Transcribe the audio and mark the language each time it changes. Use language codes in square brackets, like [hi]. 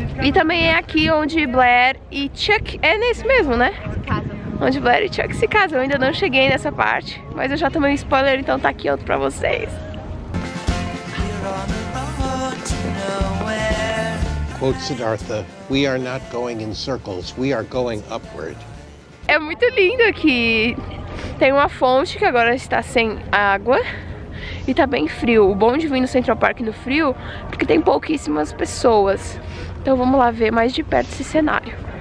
[pt] E também é aqui onde Blair e Chuck... É nesse mesmo, né? Se casam. Onde Blair e Chuck se casam. Eu ainda não cheguei nessa parte, mas eu já tomei um spoiler, então tá aqui outro pra vocês. [en] Quote Siddhartha, we are not going in circles, we are going upward. [pt] É muito lindo aqui. Tem uma fonte que agora está sem água e tá bem frio. O bom de vir no Central Park no frio é que tem pouquíssimas pessoas. Então vamos lá ver mais de perto esse cenário.